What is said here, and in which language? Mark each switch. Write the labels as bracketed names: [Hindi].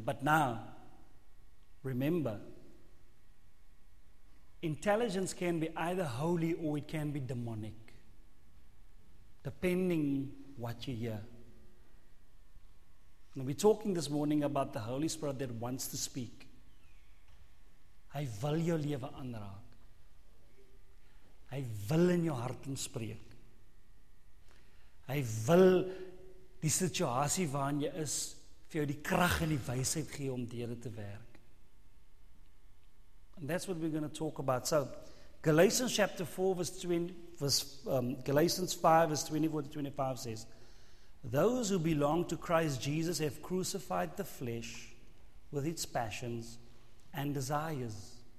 [English] But now, remember, intelligence can be either holy or it can be demonic, depending what you hear. And we're talking this morning about the Holy Spirit that wants to speak. [Afrikaans] Hy wil jou lewe aanraak. Hy wil in jou hart inspreek. Hy wil die situasie waarin jy is vir jou die krag en die wysheid gee om deur te werk. [English] And that's what we're going to talk about. So, Galatians chapter 4 verse 20, Galatians 5 verse 24 to 25 says, those who belong to Christ Jesus have crucified the flesh with its passions and desires.